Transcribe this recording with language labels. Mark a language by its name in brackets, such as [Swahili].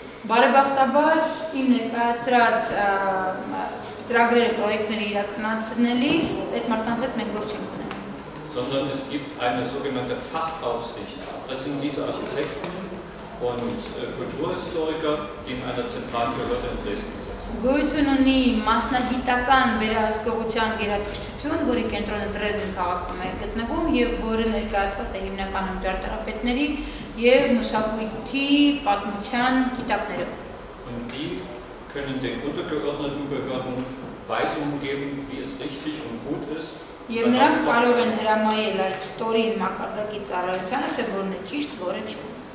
[Armenian] Բարեբախտաբար իմ ներկայացրած ծրագրերը պրոյեկտները իրականացնելիս այդ մարդկանց հետ մենք չենք ունենա. [German] Sondern es gibt eine sogenannte Fachaufsicht. Das sind diese Architekten und Kulturhistoriker, die in einer zentralen Behörde in Dresden sitzen. [Armenian] Գույցն ունի մասնագիտական վերահսկողության գերատեսչություն, որի կենտրոնը Դրեզդեն քաղաքում է գտնվում եւ որը ներկայացված է հիմնականում ճարտարապետների և մշակույթի պատմության գիտակներով։ [German] Und die können den untergeordneten Behörden Weisungen geben, wie es richtig und gut ist. [Armenian] Եվ նրանք կարող են հրամայել այդ ստորին մակարդակի ծառայությանը, թե որն է ճիշտ, որը չէ։